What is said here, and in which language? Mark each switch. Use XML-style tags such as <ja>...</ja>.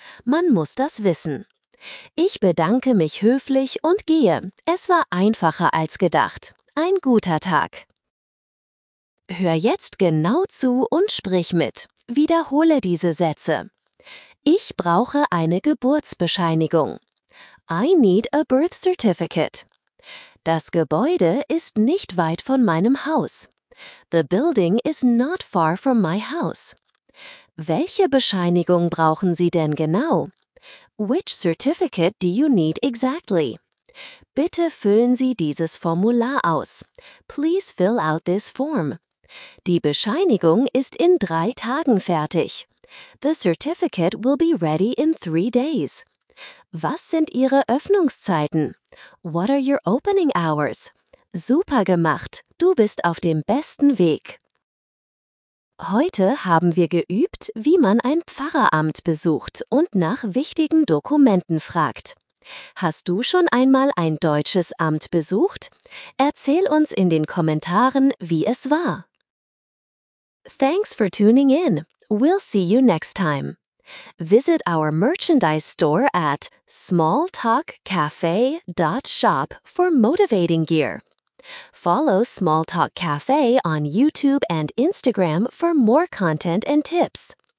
<de>Man muss das wissen. Ich bedanke mich höflich und gehe. Es war einfacher als gedacht. Ein guter Tag. Hör jetzt genau zu und sprich mit. Wiederhole diese Sätze. Ich brauche eine Geburtsbescheinigung.</de> <en>I need a birth certificate.</en> <de>Das Gebäude ist nicht weit von meinem Haus.</de> <en>The building is not far from my house.</en> <de>Welche Bescheinigung brauchen Sie denn genau?</de> <en>Which certificate do you need exactly?</en> <de>Bitte füllen Sie dieses Formular aus.</de> <en>Please fill out this form.</en> <de>Die Bescheinigung ist in 3 Tagen fertig.</de> <en>The certificate will be ready in 3 days.</en> <de>Was sind Ihre Öffnungszeiten?</de> <en>What are your opening hours?</en> <de>Super gemacht! Du bist auf dem besten Weg! Heute haben wir geübt, wie man ein Pfarreramt besucht und nach wichtigen Dokumenten fragt. Hast du schon einmal ein deutsches Amt besucht? Erzähl uns in den Kommentaren, wie es war!</de> <en>Thanks for tuning in! We'll see you next time. Visit our merchandise store at smalltalkcafe.shop for motivating gear. Follow Small Talk Cafe on YouTube and Instagram for more content and tips.</en>